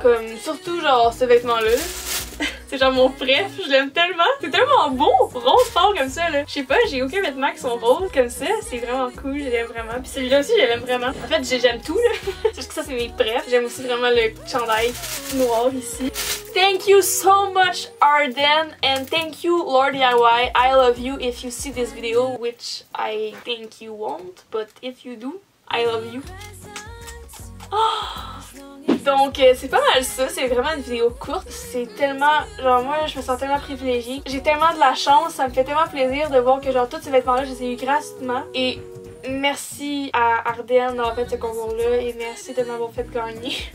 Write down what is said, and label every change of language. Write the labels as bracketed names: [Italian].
[French] Comme surtout genre ce vêtement-là. C'est genre mon préf, je l'aime tellement. C'est tellement beau, rose fort comme ça, là. Je sais pas, j'ai aucun vêtement qui sont roses comme ça. C'est vraiment cool, je l'aime vraiment. Puis celui-là aussi, je l'aime vraiment. En fait, j'aime tout, là. C'est juste que ça, c'est mes préfs. J'aime aussi vraiment le chandail noir ici. [English] Thank you so much, Arden. And thank you, Lore DIY. I love you if you see this video, which I think you won't. But if you do, I love you. Oh! [French] Donc c'est pas mal ça, c'est vraiment une vidéo courte, c'est tellement, genre moi je me sens tellement privilégiée, j'ai tellement de la chance, ça me fait tellement plaisir de voir que genre tous ces vêtements là je les ai eu gratuitement et merci à Arden d'avoir fait ce concours là et merci de m'avoir fait gagner.